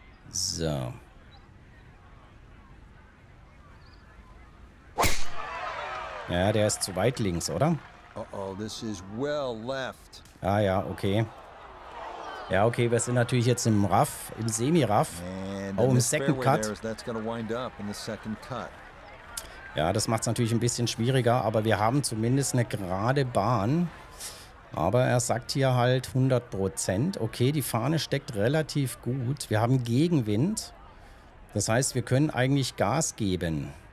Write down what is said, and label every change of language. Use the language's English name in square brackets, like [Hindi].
[German] So. Ja, der ist zu weit links, oder? [English] This is well left. [German] Ah ja, okay. Ja, okay, wir sind natürlich jetzt im Rough, im Semi-Rough. Oh, im Second Cut. [English] That's gonna wind up in the second cut. [German] Ja, das macht es natürlich ein bisschen schwieriger, aber wir haben zumindest eine gerade Bahn. Aber er sagt hier halt 100%. Okay, die Fahne steckt relativ gut. Wir haben Gegenwind. Das heißt, wir können eigentlich Gas geben.